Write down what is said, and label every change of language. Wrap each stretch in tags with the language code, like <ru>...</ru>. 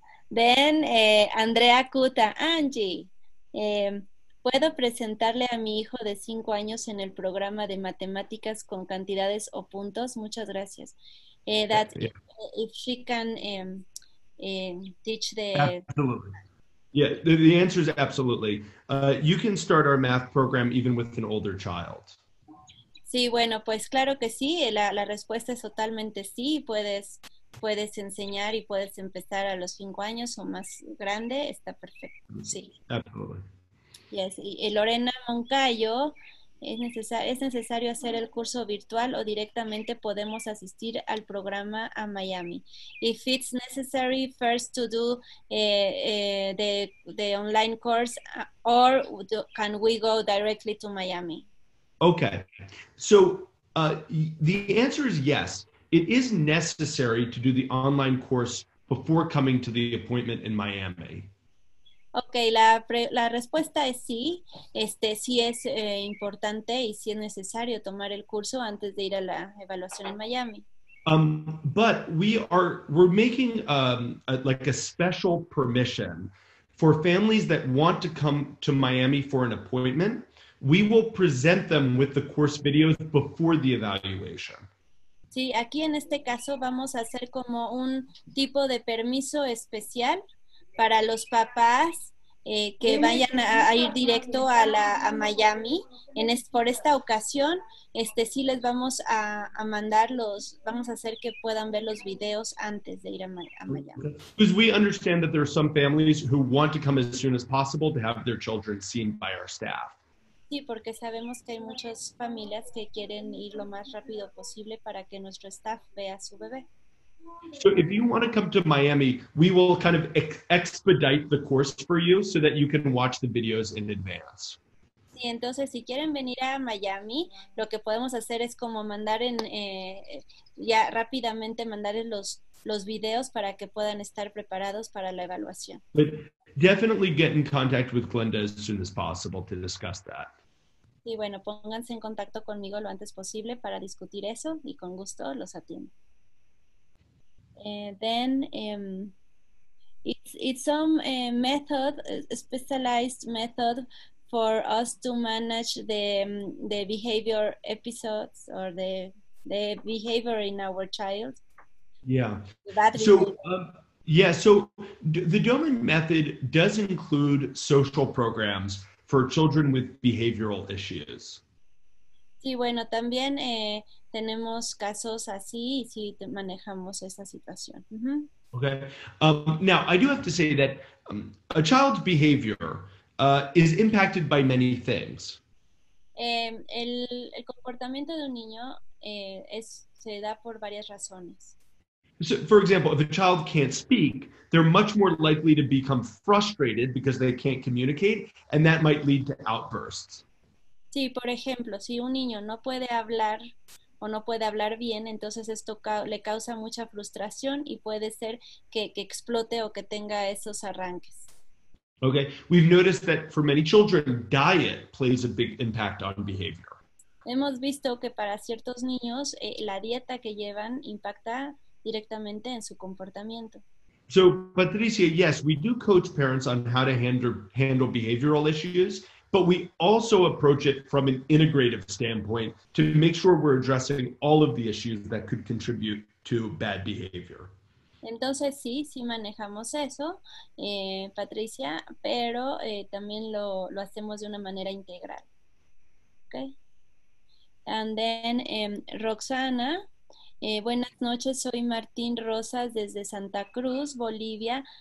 <en>Then</en> <es>Andrea Cuta, Angie, ¿puedo presentarle a mi hijo de 5 años en el programa de matemáticas con cantidades o puntos? Muchas gracias.</es> <en>That if she can teach the... Absolutely. Yeah, the answer is absolutely. You can start our math program even with an older child.</en> <es>Sí, bueno, pues claro que sí. La respuesta es totalmente sí. Puedes enseñar y puedes empezar a los 5 años o más grande. Está perfecto. Sí.</es> <en>Absolutely. Yes.</en> <es>Y Lorena Moncayo, ¿es necesario hacer el curso virtual o directamente podemos asistir al programa a Miami?</es> <en>If it's necessary first to do the online course or can we go directly to Miami? Okay, so the answer is yes. It is necessary to do the online course before coming to the appointment in Miami.</en> <es>Okay, la respuesta es sí. Sí es importante y sí es necesario tomar el curso antes de ir a la evaluación en Miami.</es> <en>But we're making a special permission for families that want to come to Miami for an appointment. We will present them with the course videos before the evaluation.</en> <es>Sí, aquí en este caso vamos a hacer como un tipo de permiso especial para los papás que vayan a ir directo a Miami. Por esta ocasión, sí les vamos a mandar los, vamos a hacer que puedan ver los videos antes de ir a Miami.</es> <en>Because we understand that there are some families who want to come as soon as possible to have their children seen by our staff.</en> <es>Sí, porque sabemos que hay muchas familias que quieren ir lo más rápido posible para que nuestro staff vea su bebé.</es> <en>So if you want to come to Miami, we will kind of expedite the course for you so that you can watch the videos in advance.</en> <es>Sí, entonces si quieren venir a Miami, lo que podemos hacer es como mandar en ya rápidamente mandar en los videos para que puedan estar preparados para la evaluación.</es> <en>But definitely get in contact with Glenda as soon as possible to discuss that.</en> <es>Sí, bueno, pónganse en contacto conmigo lo antes posible para discutir eso y con gusto los atiendo.</es> <en>Then it's some method, specialized method for us to manage the behavior episodes or the behavior in our child. So the Doman method does include social programs for children with behavioral issues.</en> <es>Sí, bueno, también tenemos casos así y sí manejamos esa situación.</es> <en>Okay. Now, I do have to say that a child's behavior is impacted by many things.</en> <es>El comportamiento de un niño se da por varias razones.</es> <en>So, for example, if a child can't speak, they're much more likely to become frustrated because they can't communicate, and that might lead to outbursts.</en> <es>Sí, por ejemplo, si un niño no puede hablar o no puede hablar bien, entonces esto le causa mucha frustración y puede ser que explote o que tenga esos arranques.</es> <en>Okay, we've noticed that for many children, diet plays a big impact on behavior.</en> <es>Hemos visto que para ciertos niños, la dieta que llevan impacta directamente en su comportamiento.</es> <en>So, Patricia, yes, we do coach parents on how to handle behavioral issues, but we also approach it from an integrative standpoint to make sure we're addressing all of the issues that could contribute to bad behavior.</en> <es>Entonces, sí, sí manejamos eso, Patricia, pero también lo hacemos de una manera integral. Okay.</es> <en>And then,</en> <es>Roxana, buenas noches, soy Martín Rosas desde Santa Cruz, Bolivia.</es>